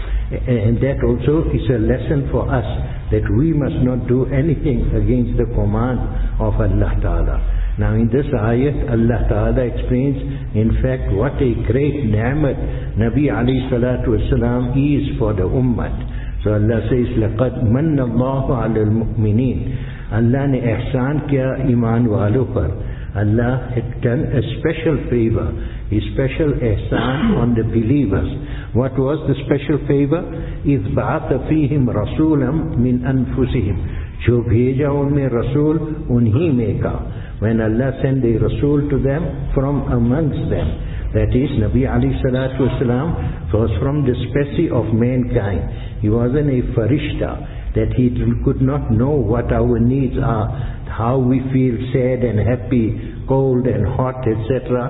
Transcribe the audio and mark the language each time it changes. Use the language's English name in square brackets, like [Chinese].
[English] And that also is a lesson for us that we must not do anything against the command of Allah Ta'ala. Now in this ayat, Allah Ta'ala explains, in fact, what a great ni'mat Nabi alayhi salatu wasalam is for the ummah. So Allah says, [Arabic] لَقَدْ مَنَّ اللَّهُ عَلَى الْمُؤْمِنِينَ. [Urdu] Allah ne ihsan kiya iman walo par. [English] Allah had done a special favor, a special ihsan on the believers. What was the special favor? [Arabic] إِذْ بَعَثَ فِيهِمْ رَسُولًا مِنْ أَنفُسِهِمْ. [Urdu] جو بھیجا ان میں رسول انہی میں کا. [English] When Allah sent a Rasul to them from amongst them, that is, Nabi alayhi salatu wasalam was from the specie of mankind. He wasn't a farishta, that he could not know what our needs are, how we feel sad and happy, cold and hot, etc.